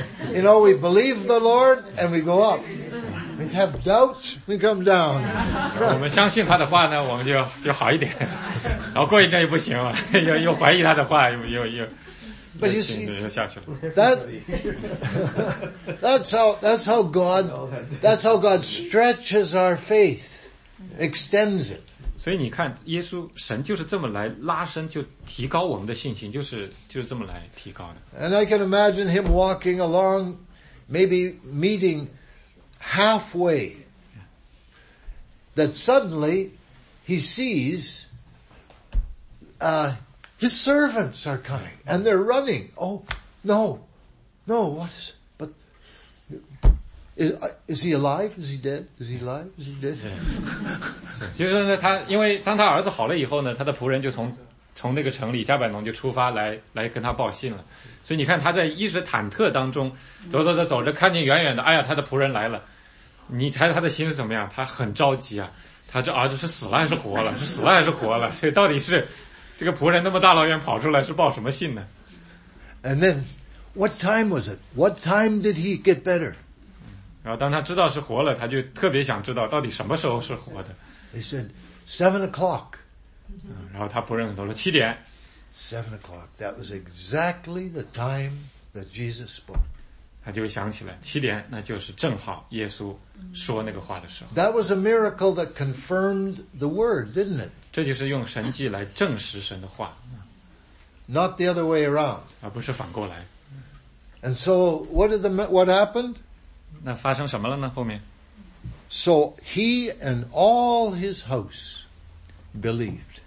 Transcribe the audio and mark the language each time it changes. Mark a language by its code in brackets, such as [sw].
[en] You know, we believe the Lord and we go up. We have doubts, we come down. [zh] 我们相信他的话呢，我们就好一点。然后过一阵又不行了，又怀疑他的话，又。 [en] But you see, that's how God stretches our faith, extends it. [zh] 所以你看，耶稣神就是这么来拉伸，就提高我们的信心，就是这么来提高的。 [en] And I can imagine him walking along, maybe meeting halfway. That suddenly he sees, His servants are coming, and they're running. Oh, no, no, what is it? But is he alive? Is he dead? Is he alive? Is he dead? [zh] 就是呢，他因为当他儿子好了以后呢，他的仆人就从那个城里加百农就出发来跟他报信了。所以你看他在一直忐忑当中，走走走走着，看见远远的，哎呀，他的仆人来了。你猜他的心是怎么样？他很着急啊，他这儿子是死了还是活了？是死了还是活了？所以到底是？这个仆人那么大老远跑出来是报什么信呢 [en] ？And then, what time was it? What time did he get better? [zh] 然后当他知道是活了，他就特别想知道到底什么时候是活的。 [en] They said 7 o'clock.、 [zh] 嗯、然后他仆人很多说七点。 [en] 7 o'clock. That was exactly the time that Jesus spoke. [zh] 他就想起来七点，那就是正好耶稣说那个话的时候。 [en] That was a miracle that confirmed the word, didn't it? [zh] 这就是用神迹来证实神的话 [en] ，not the other way around， [zh] 而不是反过来。 [en] And so, what happened？ [zh] 那发生什么了呢？后面 [en] ？So he and all his house believed。